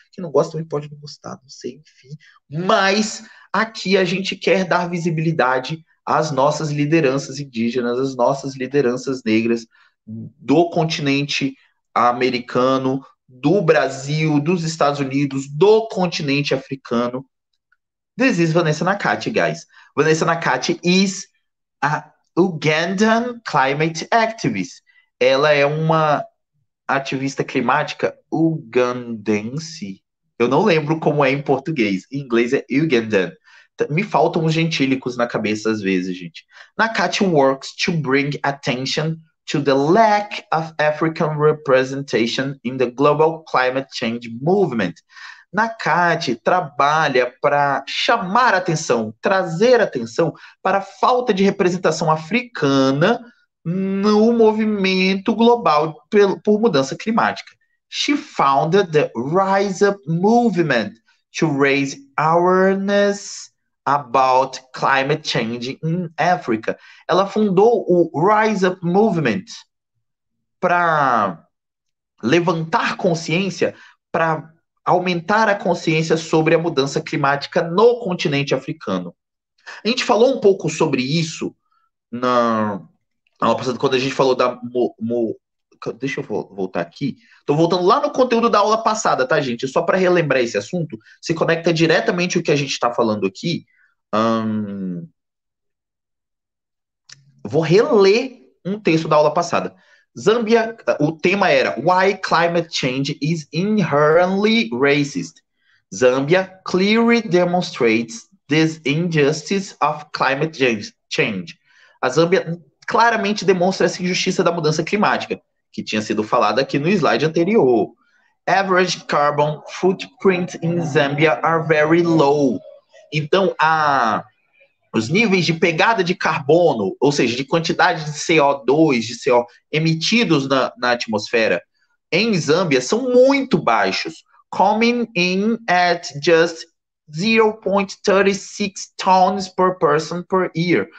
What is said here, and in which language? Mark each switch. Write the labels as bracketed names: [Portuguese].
[Portuguese] Quem não gosta também pode não gostar, não sei, enfim. Mas aqui a gente quer dar visibilidade às nossas lideranças indígenas, às nossas lideranças negras do continente americano, do Brasil, dos Estados Unidos, do continente africano. [English] This is Vanessa Nakati, guys. Vanessa Nakati is a Ugandan climate activist. [Portuguese] Ela é uma ativista climática ugandense. Eu não lembro como é em português. Em inglês é Ugandan. Me faltam os gentílicos na cabeça às vezes, gente. [English] Nakati works to bring attention to the lack of African representation in the global climate change movement. [Portuguese] Nakati trabalha para chamar atenção, trazer atenção para a falta de representação africana no movimento global por mudança climática. [English] She founded the Rise Up Movement to raise awareness about climate change in Africa. [Portuguese] Ela fundou o Rise Up Movement para levantar consciência, para aumentar a consciência sobre a mudança climática no continente africano. A gente falou um pouco sobre isso na aula passada, quando a gente falou da. Deixa eu voltar aqui. Estou voltando lá no conteúdo da aula passada, tá, gente? Só para relembrar esse assunto, se conecta diretamente o que a gente está falando aqui. Vou reler um texto da aula passada. Zâmbia, o tema era [English] Why Climate Change is Inherently Racist. Zâmbia clearly demonstrates this injustice of climate change. [Portuguese] A Zâmbia claramente demonstra essa injustiça da mudança climática, que tinha sido falado aqui no slide anterior. [English] Average carbon footprint in Zâmbia are very low. [Portuguese] Então, os níveis de pegada de carbono, ou seja, de quantidade de CO2, de CO emitidos na atmosfera em Zâmbia são muito baixos, [English] coming in at just 0,36 tons per person per year.